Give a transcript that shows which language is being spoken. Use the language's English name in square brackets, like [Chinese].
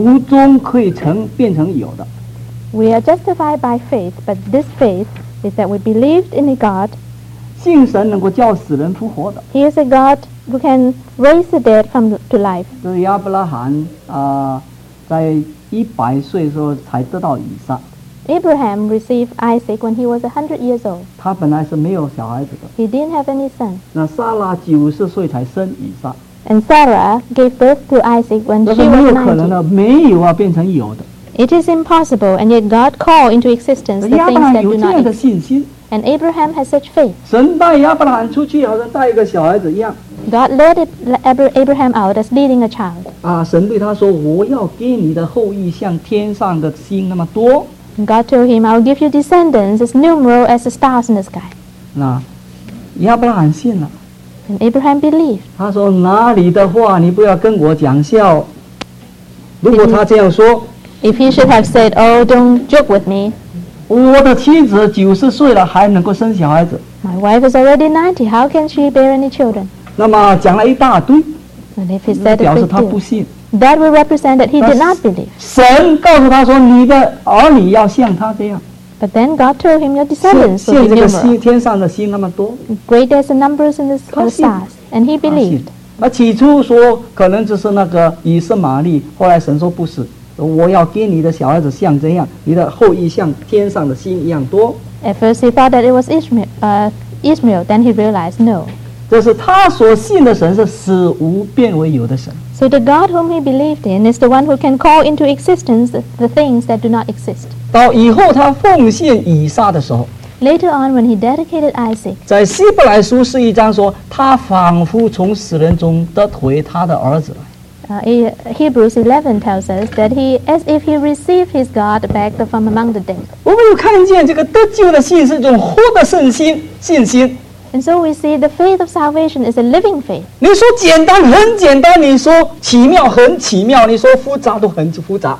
[Chinese] 我们称义是凭着信，但是这个信是一种信神是无中可以成变成有的。 [English] We are justified by faith, but this faith is that we believed in a God. [Chinese] 信神能够叫死人复活的。 [English] He is a God who can raise the dead from to life. [Chinese] 就是亚伯拉罕在100岁的时候才得到以撒。 [English] Abraham received Isaac when he was 100 years old. [Chinese] 他本来是没有小孩子的。 [English] He didn't have any son. [Chinese] 那撒拉90岁才生以撒。 [English] And Sarah gave birth to Isaac when she was 90。 [Chinese] 那是没有可能的，没有啊，变成有的。 [English] It is impossible, and yet God called into existence the things that do not exist. And Abraham has such faith. [Chinese] 神带亚伯拉罕出去，好像带一个小孩子一样。 [English] God led Abraham out as leading a child. [Chinese] 神对他说，我要给你的后裔像天上的星那么多。 [English] God told him, I'll give you descendants as numerous as the stars in the sky. [Chinese] 那亚伯拉罕信了。 [English] And Abraham believed. [Chinese] 他说哪里的话你不要跟我讲笑。如果他这样说， [English] If he should have said, oh, don't joke with me. [Chinese] 我的妻子九十岁了还能够生小孩子。 [English] My wife is already 90. How can she bear any children? [Chinese] 那么讲了一大堆。 [English] And if he said a big deal, [Chinese] 表示他不信。 [English] That will represent that he did not believe. [Chinese] 神告诉他说你的儿女要像他这样。 [English] But then God told him, your descendants will be numerous. [Chinese] 信这个天上的星那么多。 [English] Great as the numbers in the stars. And he believed. [Chinese] 那起初说可能就是那个以实玛利，后来神说不是，我要给你的小孩子像这样，你的后裔像天上的星一样多。 [English] At first he thought that it was Ishmael, then he realized no. [Chinese] 这是他所信的神是死无变为有的神。 [English] So the God whom he believed in is the one who can call into existence the things that do not exist. [Chinese] 到以后他奉献以撒的时候， [English] Later on when he dedicated Isaac, [Chinese] 在希伯来书是一章说他仿佛从死人中得回他的儿子。 [English] Hebrews 11 tells us that he, as if he received his God back from among the dead. [Chinese] 我们又看见这个得救的信是一种活的信心。 [English] And so we see the faith of salvation is a living faith. [Chinese] 你说简单很简单，你说奇妙很奇妙，你说复杂都很复杂。